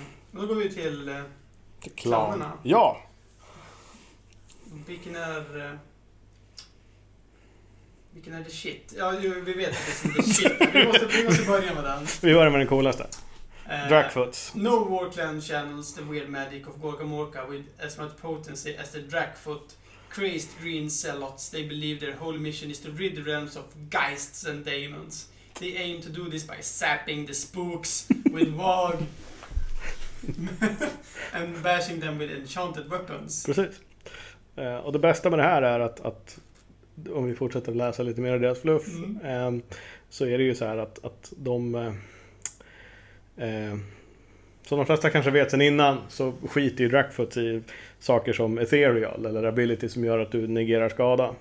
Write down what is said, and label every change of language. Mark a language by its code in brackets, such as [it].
[sv] Då går vi till klanerna. Ja. Vilken är [en] the shit? [sv] Ja, vi vet att det är [en] the shit. [sv] Vi måste börja med den. Vi börjar med den coolaste. Drakfoots. [en] No war clan channels the weird magic of Gorgamorka with as much potency as the Drakfoot crazed green zealots. They believe their whole mission is to rid the realms of geists and demons. They aim to do this by sapping the spooks with wog and bashing them with enchanted weapons. [sv] Precis. Och det bästa med det här är att om vi fortsätter läsa lite mer av deras fluff, så är det ju så här att de som de flesta kanske vet sen innan, så skiter ju Drakfoots i saker som ethereal eller ability som gör att du negerar skada.